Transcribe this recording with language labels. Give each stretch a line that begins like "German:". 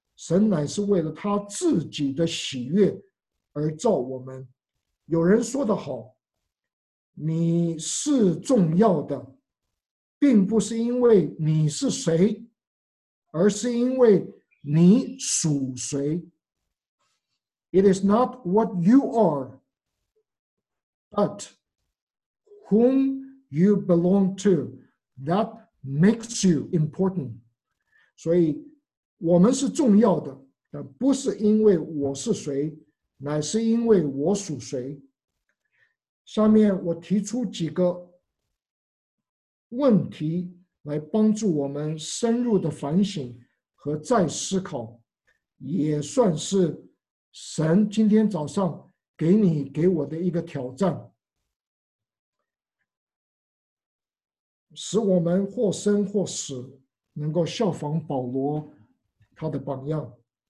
Chinese: 神乃是为了他自己的喜悦而造我们。有人说得好，你是重要的，并不是因为你是谁，而是因为你属谁。
English: It is not what you are, but whom you belong to, that makes you important.
Chinese: 所以我们是重要的，但不是因为我是谁，乃是因为我属谁。下面我提出几个问题来帮助我们深入的反省和再思考，也算是神今天早上给你给我的一个挑战，使我们或生或死能够效仿保罗他的榜样。